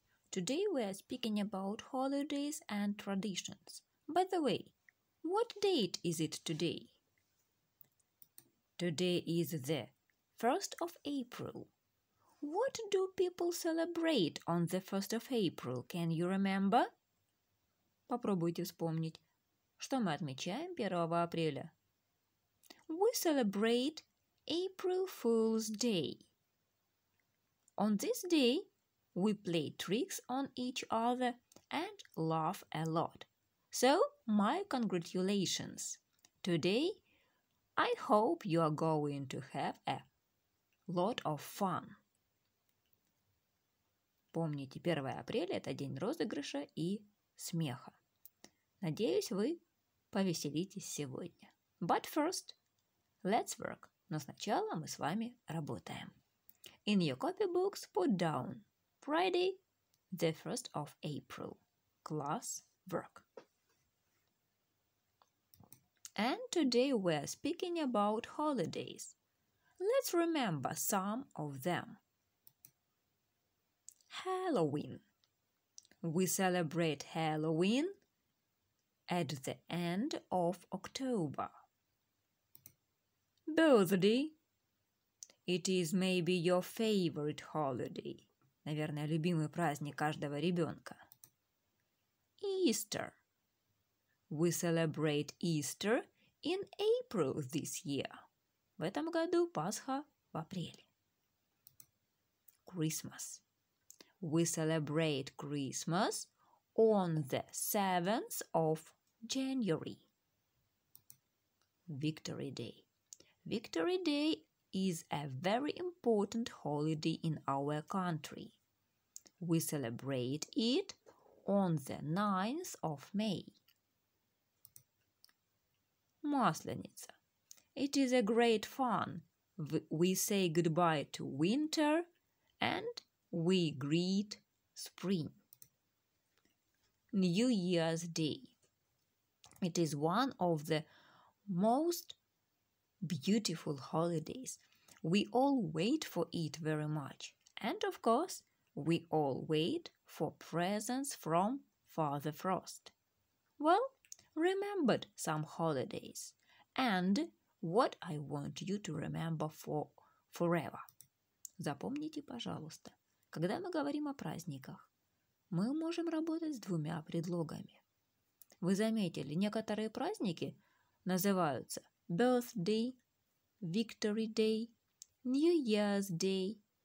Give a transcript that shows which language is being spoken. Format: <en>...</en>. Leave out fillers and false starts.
<en>Today we are speaking about holidays and traditions. By the way, what date is it today? Today is the 1st of April. What do people celebrate on the 1st of April? Can you remember?</en> <ru>Попробуйте вспомнить, что мы отмечаем 1 апреля.</ru> <en>We celebrate April Fool's Day. On this day, we play tricks on each other and laugh a lot. So, my congratulations. Today, I hope you are going to have a lot of fun.</en> <ru>Помните, 1 апреля – это день розыгрыша и смеха. Надеюсь, вы повеселитесь сегодня.</ru> <en>But first, let's work.</en> <ru>Но сначала мы с вами работаем.</ru> <en>In your copybooks, put down Friday, the 1st of April. Class work. And today we're speaking about holidays. Let's remember some of them. Halloween. We celebrate Halloween at the end of October. Birthday. It is maybe your favorite holiday.</en> <ru>Наверное, любимый праздник каждого ребенка.</ru> <en>Easter. We celebrate Easter in April this year.</en> <ru>В этом году Пасха в апреле.</ru> <en>Christmas. We celebrate Christmas on the 7th of January. Victory Day. Victory Day is a very important holiday in our country. We celebrate it on the 9th of May. Масленица. It is a great fun. We say goodbye to winter and we greet spring. New Year's Day. It is one of the most beautiful holidays. We all wait for it very much. And of course, we all wait for presents from Father Frost. Well, remembered some holidays. And what I want you to remember for forever.</en> <ru>Запомните, пожалуйста, когда мы говорим о праздниках, мы можем работать с двумя предлогами. Вы заметили, некоторые праздники называются Birthday, Victory Day, New Year's Day.</ru>